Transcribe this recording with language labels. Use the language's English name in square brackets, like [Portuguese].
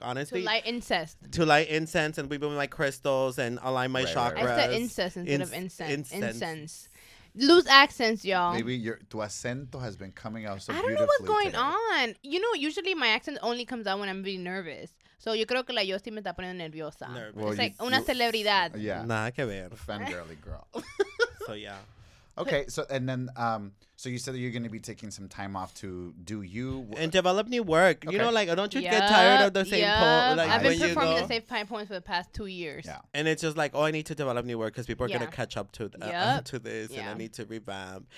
[English] Honestly, to light incense, and we've been like crystals and align my chakras. Right. I said incense instead of incense. Lose accents, y'all. Maybe your tu acento has been coming out so beautifully. I don't know what's going on. You know, usually my accent only comes out when I'm really nervous. [Spanish] So yo creo que la Yosi me está poniendo nerviosa. [English] Well, it's like una celebridad. Yeah. [Spanish] Nada que ver. [English] Fangirly girl. So yeah. Okay, so and then so you said that you're going to be taking some time off to do you and develop new work. Okay. You know, like don't you get tired of the same poem? Like, I've been performing the same 5 points for the past 2 years. Yeah, and it's just like, oh, I need to develop new work because people are going to catch up to this, and I need to revamp.